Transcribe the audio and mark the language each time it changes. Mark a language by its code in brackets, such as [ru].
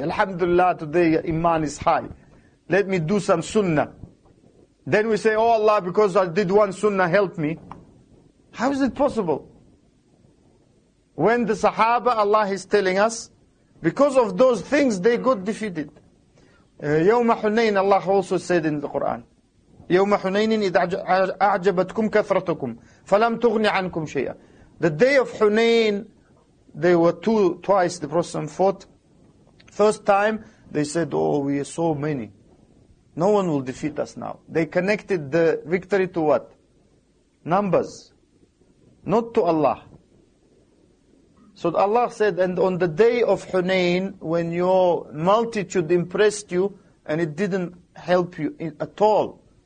[en] Alhamdulillah, today iman is high. Let me do some sunnah. Then we say, oh Allah, because I did one sunnah, help me. How is it possible? When the Sahaba, Allah is telling us, because of those things, they got defeated. [ar] يوم حنين, [en] Allah also said in the Quran, [ar] يوم حنين إذا أعجبتكم كثرتكم فلم تغني عنكم شيئا. [en] The day of Hunain, they were twice the Prophet fought. First time, they said, oh, we are so many. No one will defeat us now. They connected the victory to what? Numbers. Not to Allah. So Allah said, and on the day of Hunayn, when your multitude impressed you, and it didn't help you at all.